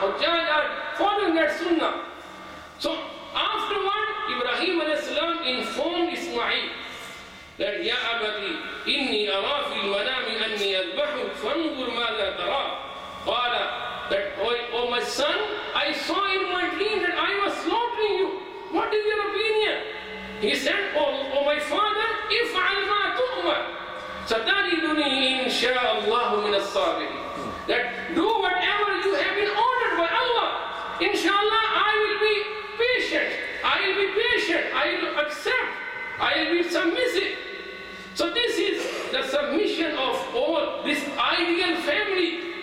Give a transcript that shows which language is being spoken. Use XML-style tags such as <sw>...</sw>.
<en>Hujjaj are following that sunnah. So afterward, Ibrahim alayhi salam informed Ismail, that</en> <ar>يَا أَبَتِي إِنِّي أَرَى فِي الْمَنَامِ أَنِّي أَذْبَحُ فَانْظُرْ مَاذَا تَرَى.</ar> <en>قَالَ that, oh my son, I saw in my dream that I was slaughtering you. What is your opinion? He said, oh my father,</en> <ar>افعل ما تؤمر ستجدني إن شاء الله من الصابرين.</ar> <en>That do whatever you have been ordered by Allah. Inshallah, I will be patient. I will be patient. I will accept. I will be submissive. So this is the submission of all this ideal family.</en>